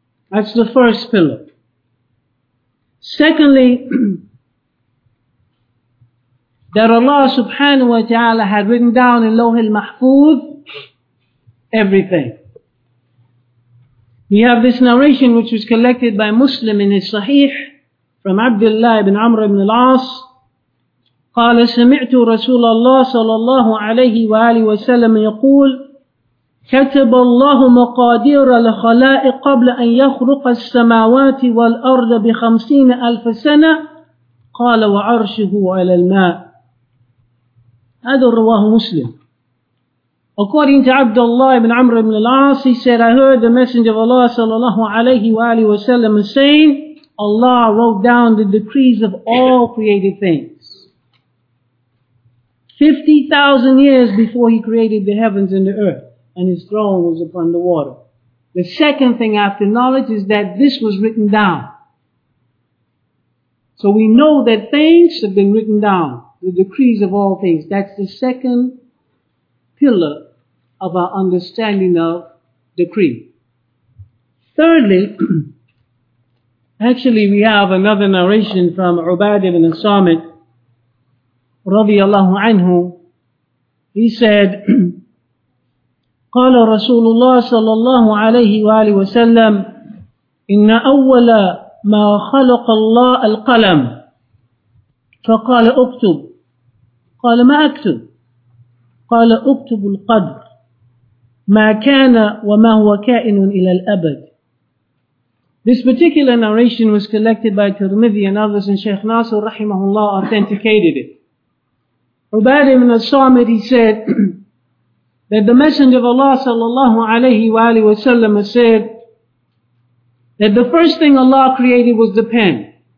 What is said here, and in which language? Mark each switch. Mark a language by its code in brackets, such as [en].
[en] That's the first pillar. Secondly, that Allah subhanahu wa ta'ala had written down in Lawh al-Mahfuz everything. We have this narration which was collected by Muslim in his Sahih from Abdullah ibn Amr ibn al-As. [ar] قال سمعت رسول الله صلى الله عليه وآله وسلم يقول كتب الله مقادير الخلائق قبل أن يخلق السماوات والأرض بخمسين ألف سنة قال وعرشه على الماء. هذا رواه مسلم. [en] According to Abdullah ibn Amr ibn al-As, he said, I heard the Messenger of Allah sallallahu alayhi wa alihi wa sallam saying, Allah wrote down the decrees of all created things. 50,000 years before He created the heavens and the earth, and His throne was upon the water. The second thing after knowledge is that this was written down. So we know that things have been written down, the decrees of all things. That's the second pillar of our understanding of decree. Thirdly, actually we have another narration from Ubad ibn Samit radiallahu anhu. He said, [ar] قال رسول الله صلى الله عليه وآله وسلم إن أول ما خلق الله القلم فقال اكتب قال ما اكتب قال اكتب القدر ما كان وما هو كائن إلى الأبد. [en] This particular narration was collected by Tirmidhi and others, and Shaykh Nasir rahimahullah authenticated it. Ubad ibn al-Samit, he said, that the Messenger of Allah sallallahu alayhi wa alihi wa sallam said that the first thing Allah created was the pen.